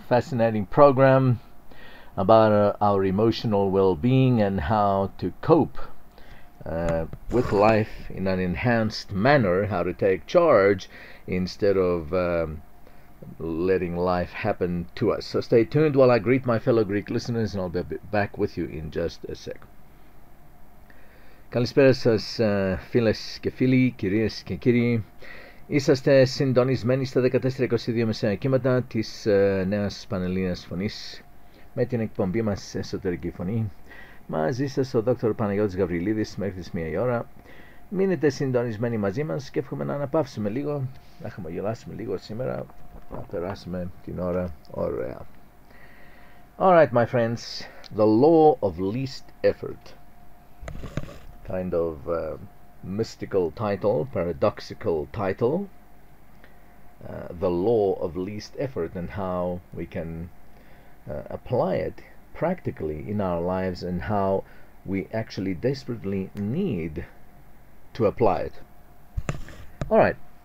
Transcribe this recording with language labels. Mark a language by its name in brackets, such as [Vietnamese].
[English] Fascinating program about our emotional well-being and how to cope with life in an enhanced manner, how to take charge instead of letting life happen to us. So stay tuned while I greet my fellow Greek listeners, and I'll be back with you in just a sec. [Greek] Καλησπέρα σας, φίλες και φίλοι, κυρίες και κύριοι. Είσαστε συντονισμένοι στα 14:22 μεσαιακήματα της Νέας Πανελλήνιας Φωνής με την εκπομπή μας Εσωτερική Φωνή. Μαζί σας ο Δόκτωρ Παναγιώτης Γαβριλίδης μέχρι τις 1 η ώρα. Μείνετε συντονισμένοι μαζί μας και εύχομαι να αναπαύσουμε λίγο, να χαμογελάσουμε λίγο σήμερα, να περάσουμε την ώρα ωραία. [English] Alright, my friends, the law of least effort. Kind of mystical title, paradoxical title. The law of least effort and how we can apply it practically in our lives and how we actually desperately need to apply it. All right.